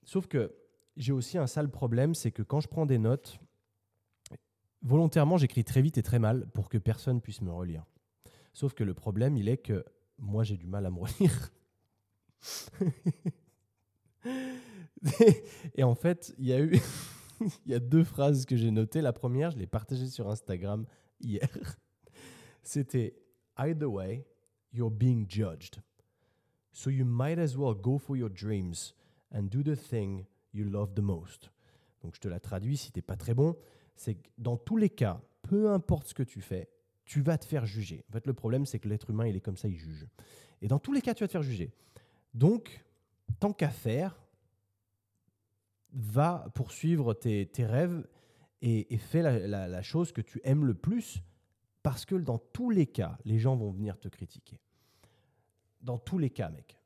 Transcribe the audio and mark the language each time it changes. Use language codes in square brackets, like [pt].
[fr] Sauf que j'ai aussi un sale problème, c'est que quand je prends des notes, volontairement, j'écris très vite et très mal pour que personne puisse me relire. Sauf que le problème, il est que moi, j'ai du mal à me relire. Et en fait, il y a deux phrases que j'ai notées. La première, je l'ai partagée sur Instagram hier. [en] C'était « Either way, you're being judged. So you might as well go for your dreams. » And do the thing you love the most. [fr] Donc, je te la traduis si tu n'es pas très bon. C'est que dans tous les cas, peu importe ce que tu fais, tu vas te faire juger. En fait, le problème, c'est que l'être humain, il est comme ça, il juge. Et dans tous les cas, tu vas te faire juger. Donc, tant qu'à faire, va poursuivre tes rêves et fais la chose que tu aimes le plus parce que dans tous les cas, les gens vont venir te critiquer. Dans tous les cas, mec.